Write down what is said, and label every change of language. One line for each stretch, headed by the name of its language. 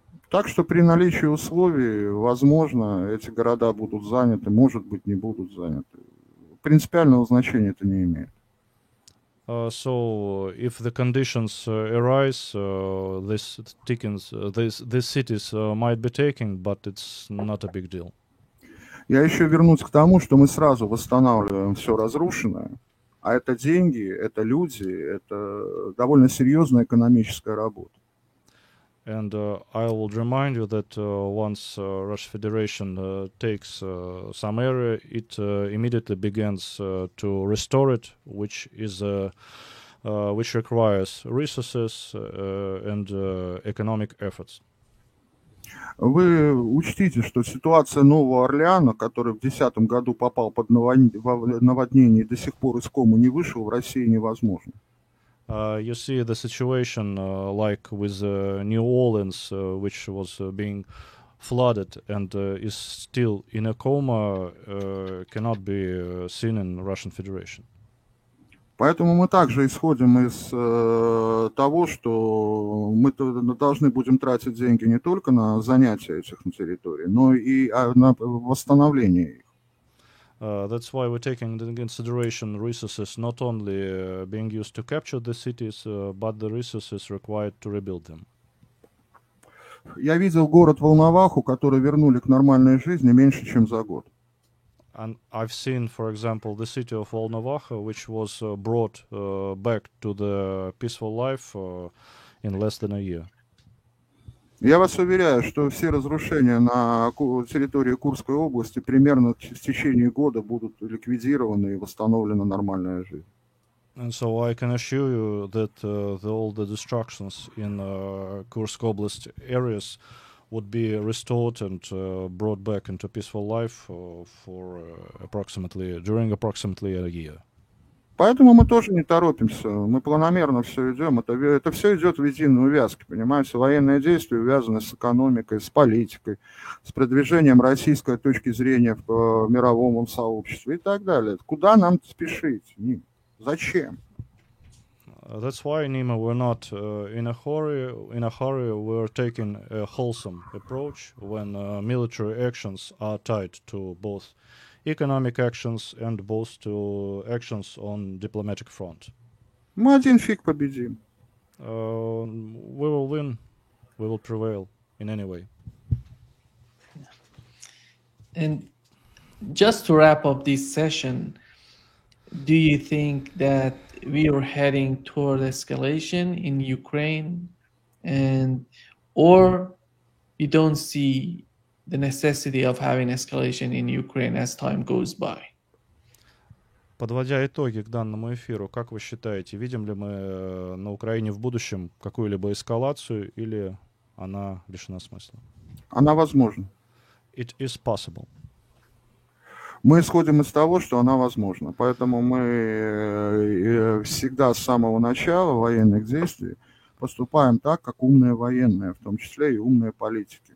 Russian: Так что при наличии условий, возможно, эти города будут заняты, может быть, не будут заняты. Принципиального значения это не имеет.
English: So, if the conditions arise, these cities might be taken, but it's not a big deal.
Russian: Я еще вернусь к тому, что мы сразу восстанавливаем все разрушенное, а это деньги, это люди, это довольно серьезная экономическая работа.
English: And I would remind you that once Russian Federation takes some area, it immediately begins to restore it, which is which requires resources and economic efforts.
Russian: Вы учтите, что ситуация Нового Орлеана, который в 2010 году попал под наводнение и до сих пор из комы не вышел, в России невозможно.
English: You see the situation like with New Orleans, which was being flooded and is still in a coma, cannot be seen in Russian Federation.
Russian: Поэтому мы также исходим из того, что мы должны будем тратить деньги не только на занятие этих территорий, но и на восстановление их.
English: That's why we're taking into consideration resources not only being used to capture the cities, but the resources required to rebuild them.
Russian: Я видел город Волноваху, который вернули к нормальной жизни меньше, чем за год.
English: And I've seen, for example, the city of Волноваха, which was brought back to the peaceful life in less than a year.
Russian: Я вас уверяю, что все разрушения на территории Курской области примерно в течение года будут ликвидированы и восстановлена нормальная жизнь.
English: And so I can assure you that all the destructions in Kursk Oblast areas would be restored and brought back into peaceful life for approximately a year.
Russian: Поэтому мы тоже не торопимся, мы планомерно все идем, это все идет в единой увязке, понимаете, военные действия увязаны с экономикой, с политикой, с продвижением российской точки зрения в мировом сообществе и так далее. Куда нам спешить? Ним? Зачем?
English: That's why, Nima, we're not in a hurry, we're taking a wholesome approach when military actions are tied to both economic actions and both to actions on diplomatic front.
Russian: Мы один фиг победим.
English: We will win. We will prevail in any way. And just to wrap up this session, do you think that we are heading toward escalation in Ukraine, and or you don't see the necessity of having escalation in Ukraine as time goes by?
Russian: Подводя итоги к данному эфиру, как вы считаете, видим ли мы на Украине в будущем какую-либо эскалацию, или она лишена смысла? Она возможна.
English: It is possible.
Russian: Мы исходим из того, что она возможна. Поэтому мы всегда с самого начала военных действий поступаем так, как умные военные, в том числе и умные политики.